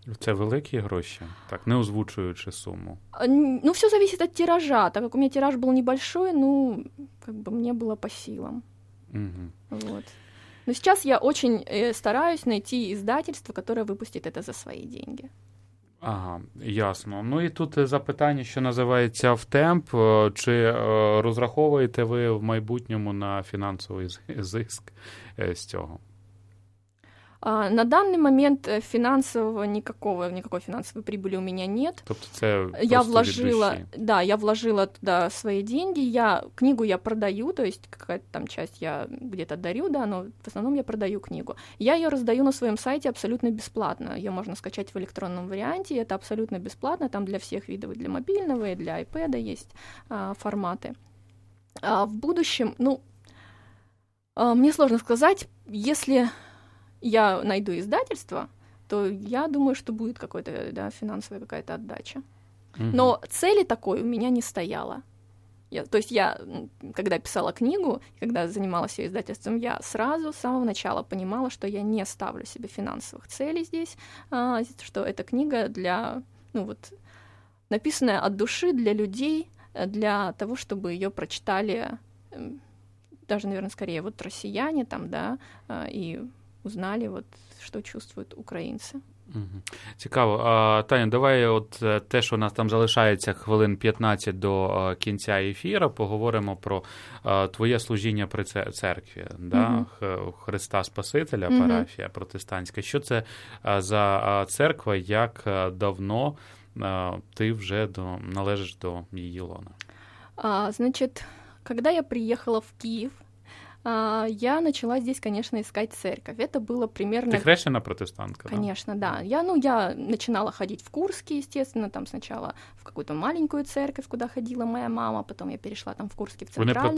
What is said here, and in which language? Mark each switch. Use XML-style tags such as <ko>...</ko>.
<ru>Это великие гроши? Так,</ru> <uk>не озвучуючи</uk> <ru>сумму. Ну, все зависит от тиража. Так как у меня тираж был небольшой, ну, как бы мне было по силам. Угу. Вот. Но сейчас я очень стараюсь найти издательство, которое выпустит это за свои деньги. Ага, ясно.</ru> <uk>Ну і тут запитання, що називається в темп. Чи розраховуєте ви в майбутньому на фінансовий зиск з цього? На даний момент фінансового ніякої фінансової прибулі у мене</uk> <ru>нет.</ru> <uk>Тобто це просто я вложила, від душі.</uk> <ru>Я вложила</ru> <uk>туди свої</uk> <ru>деньги. Книгу я продаю, то есть какая-то там часть я где-то дарю, да, но в основном я продаю книгу. Я ее роздаю на своем сайте абсолютно бесплатно. Ее можно скачать в электронном варианте, это абсолютно бесплатно, там для всех видов, для мобильного, и для iPad есть форматы. В будущем, ну, мне сложно сказать, если я найду издательство, то я думаю, что будет какой-то, да, финансовая какая-то отдача. Но цели такой у меня не стояло. То есть я, когда писала книгу, когда занималась ее издательством, я сразу, с самого начала понимала, что я не ставлю себе финансовых целей здесь, что эта книга для, ну вот, написанная от души для людей, для того, чтобы ее прочитали даже, наверное, скорее вот россияне там, да, и узнали, вот, что чувствуют украинцы.</ru> <uk>Цікаво. Таня, давай от те, що у нас там залишається хвилин 15 до кінця ефіру, поговоримо про твоє служіння при церкві, да? Христа Спасителя, парафія протестантська. Що це за церква, як давно ти вже належиш до її лона? Значить, коли я приїхала в Київ,</uk> <ru>я начала здесь, конечно, искать церковь. Это было примерно... Ты крещена протестантка, конечно, да? Конечно, да. Я начинала ходить в Курске, естественно, там сначала в какую-то маленькую церковь, куда ходила моя мама, потом я перешла там в Курске в центральную.</ru>